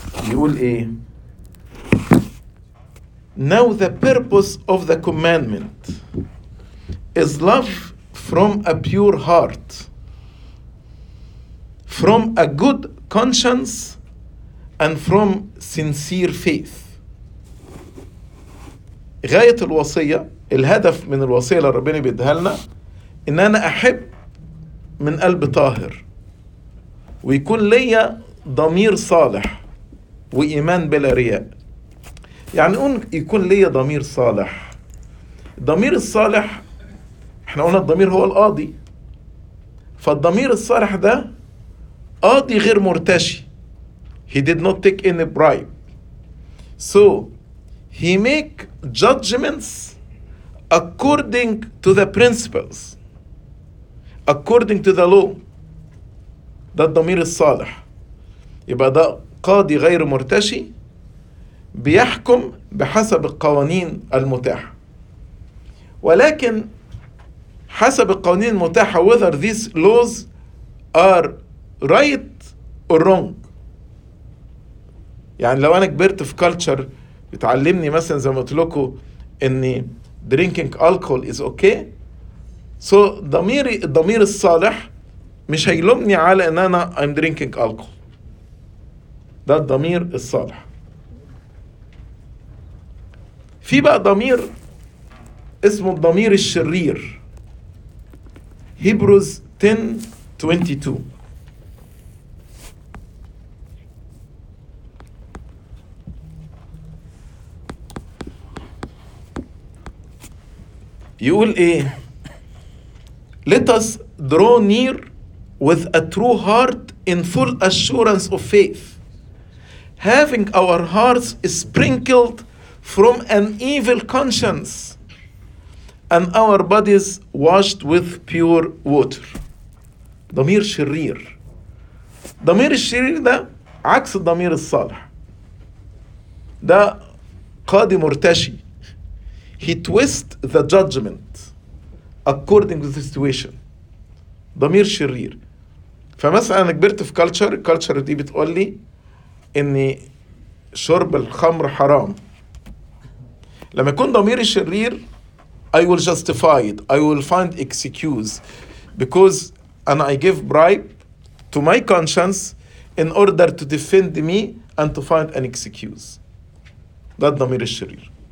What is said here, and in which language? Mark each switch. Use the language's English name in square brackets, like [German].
[Arabic] يقول ايه؟ [English] Now the purpose of the commandment is love from a pure heart, from a good conscience, and from sincere faith. [Arabic] غاية الوصية، الهدف من الوصية اللي ربنا بيديها لنا ان انا احب من قلب طاهر ويكون ليا ضمير صالح وإيمان بلا رياء. يعني يكون لي ضمير صالح. الضمير الصالح احنا قلنا الضمير هو القاضي، فالضمير الصالح ده قاضي غير مرتشي. [English] He did not take any bribe. So he make judgments according to the principles, according to the law. [Arabic] ده الضمير الصالح. يبقى ده قاضي غير مرتشي بيحكم بحسب القوانين المتاحة. ولكن حسب القوانين المتاحة [English] whether these laws are right or wrong. [Arabic] يعني لو أنا كبرت في culture بتعلمني مثلا زي ما قلتلكوا أن [English] drinking alcohol is okay. [Arabic] So الضمير الصالح مش هيلومني على أن أنا [English] I'm drinking alcohol. [Arabic] ده الضمير الصالح. في بقى ضمير اسمه الضمير الشرير. هبروز 10:22 يقول ايه؟ [English] Let us draw near with a true heart in full assurance of faith, having our hearts sprinkled from an evil conscience and our bodies washed with pure water. [Arabic] ضمير شرير. ضمير الشرير ده عكس الضمير الصالح. ده قاضي مرتشي. [English] He twists the judgment according to the situation. [Arabic] ضمير شرير. فمثلا أنا كبرت في culture دي بتقول لي ان شرب الخمر حرام. لما يكون ضميري شرير [English] I will justify it, I will find excuse because and I give bribe to my conscience in order to defend me and to find an excuse. [Arabic] ده الضمير الشرير.